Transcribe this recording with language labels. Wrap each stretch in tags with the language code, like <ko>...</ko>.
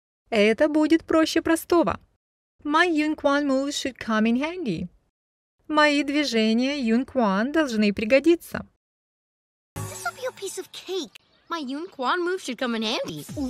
<ru>Это будет проще простого.</ru> <en>My Yun Kwan move should come in handy.</en> <ru>Мои движения Yun Kwan должны пригодиться.</ru> <en>This will be a piece of cake. My Yun Kwan move should come in handy.</en>